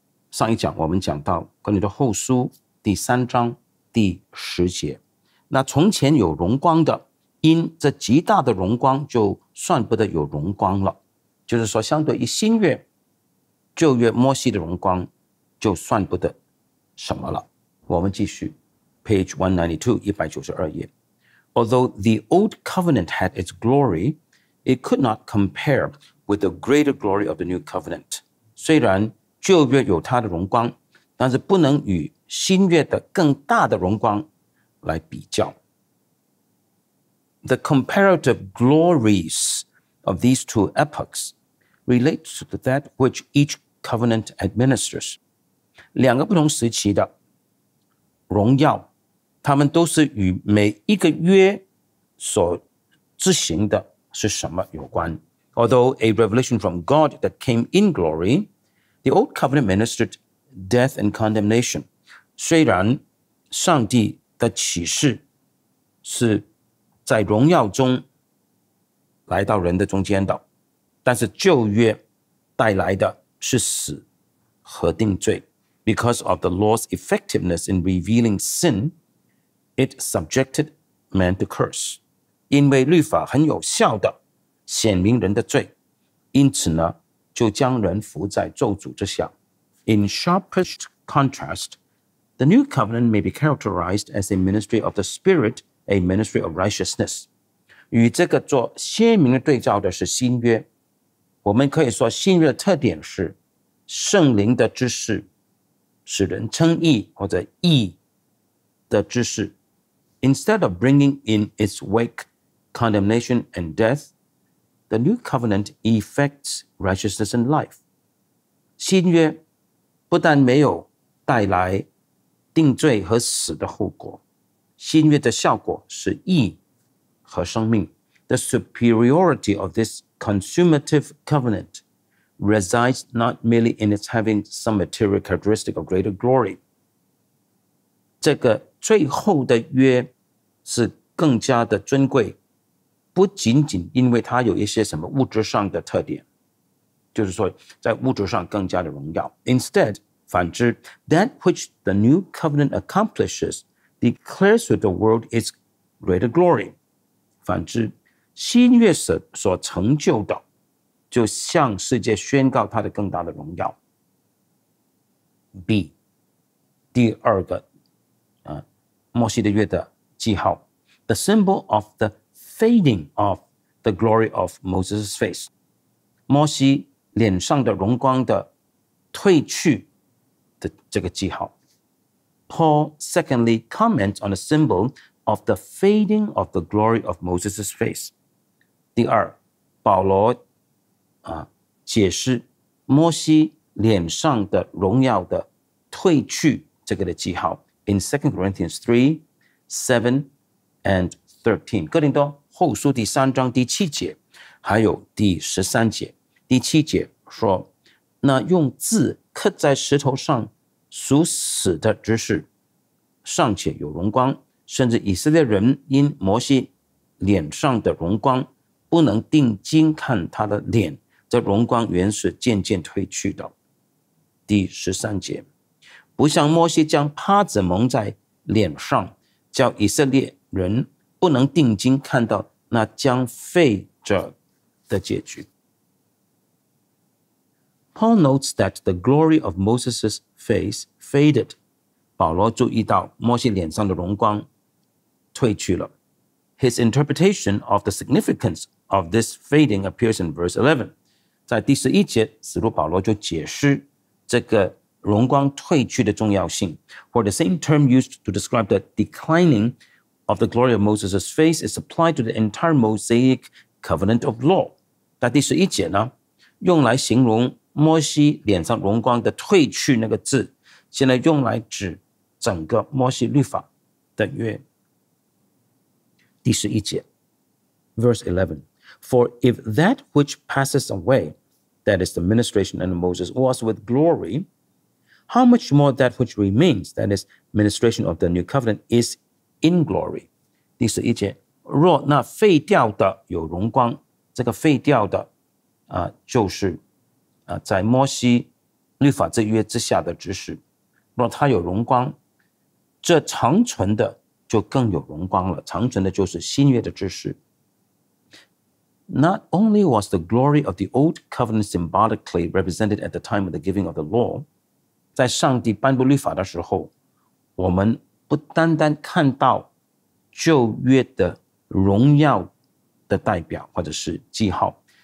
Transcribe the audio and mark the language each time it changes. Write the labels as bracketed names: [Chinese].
[Chinese] 上一讲我们讲到哥林多后书第三章第十节。那从前有荣光的，因这极大的荣光就算不得有荣光了。就是说相对于新约旧约摩西的荣光就算不得什么了。我们继续 [English] page [Chinese] 192页。 [English] Although the old covenant had its glory, it could not compare with the greater glory of the new covenant. [Chinese] 虽然旧约有它的荣光，但是不能与新约的更大的荣光来比较。 [English] The comparative glories of these two epochs relates to that which each covenant administers. [Chinese] 两个不同时期的荣耀，他们都是与每一个约所执行的是什么有关。 [English] Although a revelation from God that came in glory, the old covenant ministered death and condemnation. [Chinese] 虽然上帝的启示是在荣耀中来到人的中间的，但是旧约带来的是死和定罪。 [English] Because of the law's effectiveness in revealing sin, it subjected man to curse. [Chinese] 因为律法很有效地显明人的罪，因此呢，就将人伏在咒诅之下。 [English] In sharpest contrast, the new covenant may be characterized as a ministry of the Spirit, a ministry of righteousness. [Chinese] 与这个做鲜明的对照的是新约。我们可以说新约的特点是圣灵的知识使人称义，或者义的知识。 [English] Instead of bringing in its wake condemnation and death, the new covenant effects righteousness and life. [Chinese] 新约不但没有带来定罪和死的后果，新约的效果是义和生命。 [English] The superiority of this consummative covenant resides not merely in its having some material characteristic of greater glory. [Chinese] 这个最后的约是更加的尊贵，不仅仅因为它有一些什么物质上的特点，就是说在物质上更加的荣耀。 [English] Instead, [Chinese] 反之 [English] that which the new covenant accomplishes declares to the world its greater glory. [Chinese] 反之新约所成就的就向世界宣告他的更大的荣耀。 B 第二个摩西的约的记号。 [English] The symbol of the fading of the glory of Moses' face. [Chinese] 摩西脸上的荣光的褪去的这个记号。 [English] Paul secondly comments on the symbol of the fading of the glory of Moses' face. [Chinese] 第二保罗解释摩西脸上的荣耀的褪去这个的记号。 [English] In 2 Corinthians 3:7 and 13, [Chinese] 哥林多后书第三章第七节还有第十三节。第七节说，那用字刻在石头上属死的知识尚且有荣光，甚至以色列人因摩西脸上的荣光不能定睛看他的脸，这荣光原是渐渐褪去的。第十三节，不像摩西将帕子蒙在脸上，叫以色列人不能定睛看到那将废者的结局。 [English] Paul notes that the glory of Moses' face faded. [Chinese] 保罗注意到摩西脸上的荣光褪去了。 [English] His interpretation of the significance of this fading appears in verse 11. [Chinese] 在第十一节，使徒保罗就解释这个荣光褪去的重要性。 [English] For the same term used to describe the declining of the glory of Moses' face is applied to the entire Mosaic covenant of law. [Chinese] 在第十一节呢，用来形容摩西脸上荣光的褪去那个字，现在用来指整个摩西律法的约。第十一节 [English] verse 11. For if that which passes away, that is the ministration unto Moses, was with glory, How much more that which remains, that is, ministration of the new covenant, is in glory. [Chinese] 第十一节，若那废掉的有荣光，这个废掉的就是在摩西律法之约之下的执事，若他有荣光，这长存的就更有荣光了。长存的就是新约的执事。 [English] Not only was the glory of the old covenant symbolically represented at the time of the giving of the law, [Chinese] 在上帝颁布律法的时候，我们不单单看到旧约的荣耀的代表或者是记号。